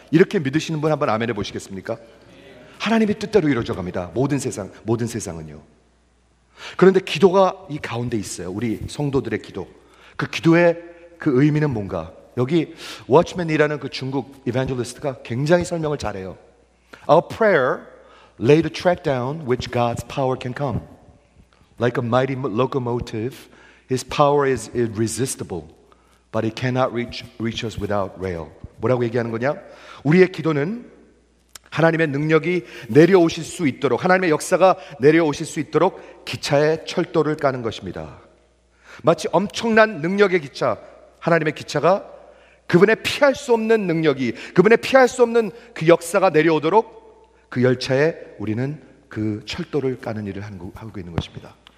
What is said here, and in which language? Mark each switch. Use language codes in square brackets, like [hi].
[ko] 이렇게 믿으시는 분 한번 아멘해 보시겠습니까? 하나님의 뜻대로 이루어져 갑니다. 모든 세상은요. 그런데 기도가 이 가운데 있어요. 우리 성도들의 기도. 그 기도의 그 의미는 뭔가? 여기 워치맨이라는 그 중국 이벤젤리스트가 굉장히 설명을 잘해요. [en] A prayer lay the track down which God's power can come. Like a mighty locomotive, his power is irresistible. But it cannot reach us without rail. [ko] 뭐라고 얘기하는 거냐? 우리의 기도는 하나님의 능력이 내려오실 수 있도록, 하나님의 역사가 내려오실 수 있도록 기차에 철도를 까는 것입니다. 마치 엄청난 능력의 기차, 하나님의 기차가 그분의 피할 수 없는 능력이, 그분의 피할 수 없는 그 역사가 내려오도록 그 열차에 우리는 그 철도를 까는 일을 하고 있는 것입니다.